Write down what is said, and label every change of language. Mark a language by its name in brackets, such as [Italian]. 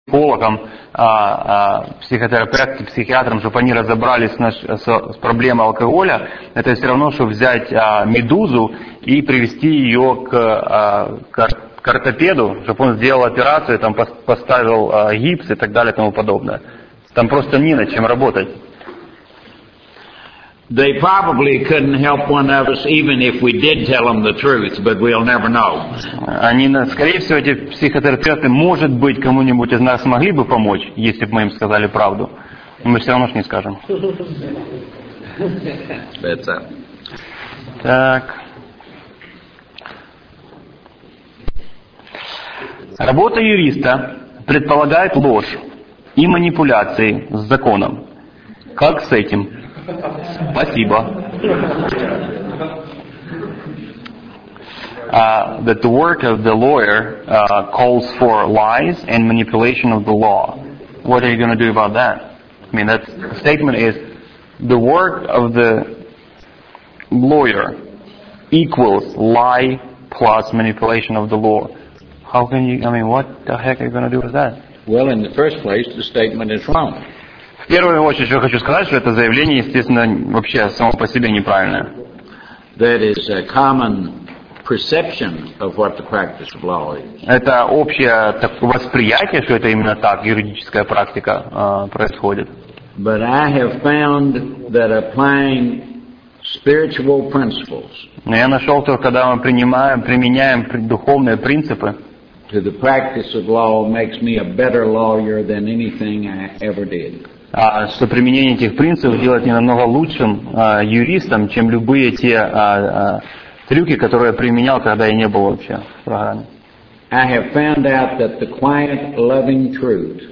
[Russian] психологом, психотерапевтом, психиатром, чтобы они разобрались с проблемой алкоголя, это все равно, что взять медузу и привести ее к ортопеду, чтобы он сделал операцию, там поставил гипс и так далее и тому подобное. Там просто не над чем работать. [English] They probably couldn't help one of us, even if we did tell them the truth, but we'll never know. [Russian] Они, скорее всего, эти психотерапевты, может быть, кому-нибудь из нас смогли бы помочь, если бы мы им сказали правду. Но мы все равно ж не скажем. [English] That's it. [Russian] Так. Работа юриста предполагает ложь и манипуляции с законом. Как с этим? Спасибо. [English] That the work of the lawyer calls for lies and manipulation of the law. What are you going to do about that? I mean, that statement is the work of the lawyer equals lie plus manipulation of the law. How can you, I mean, what the heck are you going to do with that? Well, in the first place, the statement is wrong. [Russian] В первую очередь, что я хочу сказать, что это заявление, естественно, вообще само по себе неправильное. [English] That is a common perception of what the practice of law is. [Russian] Это общее восприятие, что это именно так юридическая практика происходит. [English] But I have found that applying spiritual principles. [Russian] Но я нашел, что когда мы применяем духовные принципы, [English] to the practice of law makes me a better lawyer than anything I ever did. [Russian] Что применение этих принципов делает меня намного лучшим юристом, чем любые те трюки, которые я применял, когда я не был вообще в программе. [English] I have found out that the quiet, loving truth.